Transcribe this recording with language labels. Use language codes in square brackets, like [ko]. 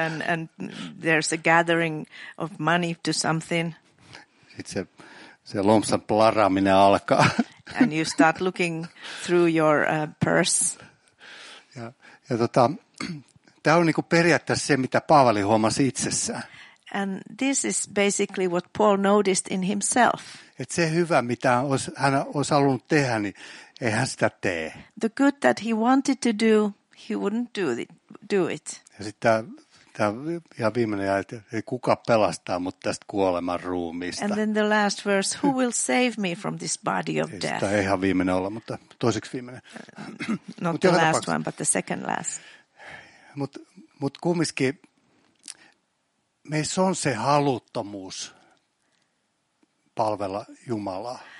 [en] And there's a gathering of money to something. [fi] Sitten se lompsan plaraaminen alkaa. [en] And you start looking through your purse. [fi] Ja tämä on niin kuin periaatteessa se, mitä Paavali huomasi itsessään. [en] And this is basically what Paul noticed in himself. [fi] Et se hyvä, mitä hän olisi halunnut tehdä, niin ei hän sitä tee. [en] The good that he wanted to do, he wouldn't do it. [fi] Ja sitten tämä viimeinen jäi, että kuka pelastaa mut tästä kuoleman ruumiista. [en] And then the last verse, who will save me from this body of death? [fi] Tämä ei ihan viimeinen olla, mutta toiseksi viimeinen. [en] Not the last one, but the second last. [fi] Mut kumminkin meissä on se haluttomuus palvella Jumalaa.